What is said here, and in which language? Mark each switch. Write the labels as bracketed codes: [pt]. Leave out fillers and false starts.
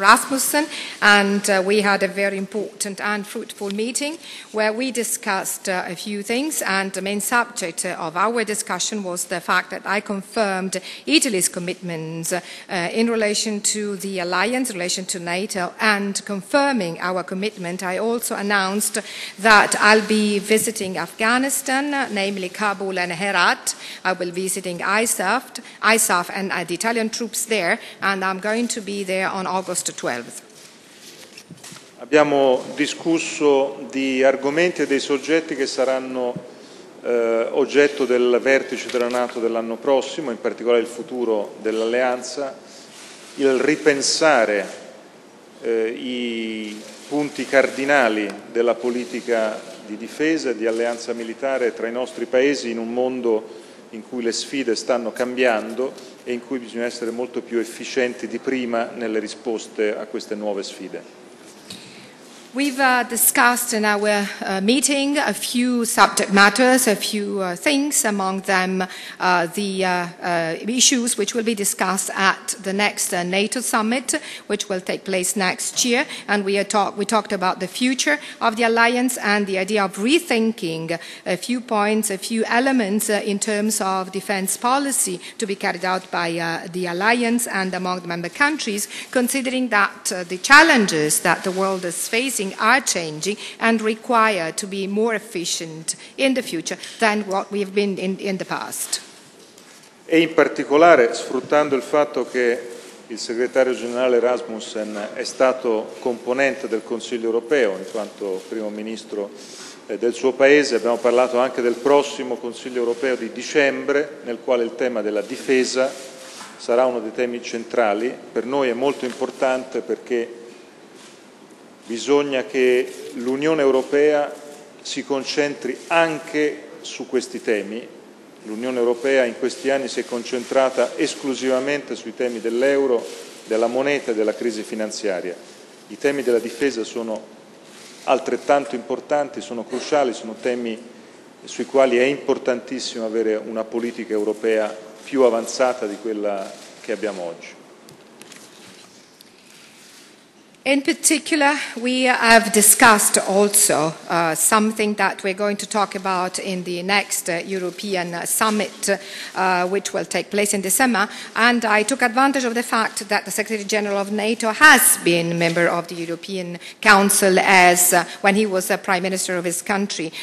[en] Rasmussen, and we had a very important and fruitful meeting where we discussed a few things, and the main subject of our discussion was the fact that I confirmed Italy's commitments in relation to the alliance, in relation to NATO, and confirming our commitment, I also announced that I'll be visiting Afghanistan, namely Kabul and Herat. I will visit ISAF and the Italian troops there, and I'm going to be there on August 12th. [it] Abbiamo discusso di argomenti e dei soggetti che saranno oggetto del vertice della NATO dell'anno prossimo, in particolare il futuro dell'alleanza, il ripensare i punti cardinali della politica di difesa e di alleanza militare tra i nostri paesi in un mondo in cui le sfide stanno cambiando e in cui bisogna essere molto più efficienti di prima nelle risposte a queste nuove sfide. [en] We've discussed in our meeting a few subject matters, a few things, among them the issues which will be discussed at the next NATO summit, which will take place next year. And we talked about the future of the alliance and the idea of rethinking a few points, a few elements in terms of defense policy to be carried out by the alliance and among the member countries, considering that the challenges that the world is facing are changing and require to be more efficient in the future than what we have been in the past. [it] E in particolare, sfruttando il fatto che il segretario generale Rasmussen è stato componente del Consiglio europeo in quanto primo ministro del suo paese, abbiamo parlato anche del prossimo Consiglio europeo di dicembre, nel quale il tema della difesa sarà uno dei temi centrali. Per noi è molto importante perché bisogna che l'Unione Europea si concentri anche su questi temi. L'Unione Europea in questi anni si è concentrata esclusivamente sui temi dell'euro, della moneta e della crisi finanziaria. I temi della difesa sono altrettanto importanti, sono cruciali, sono temi sui quali è importantissimo avere una politica europea più avanzata di quella che abbiamo oggi. [en] In particular, we have discussed also something that we're going to talk about in the next European summit, which will take place in December, and I took advantage of the fact that the Secretary General of NATO has been member of the European Council as when he was Prime Minister of his country.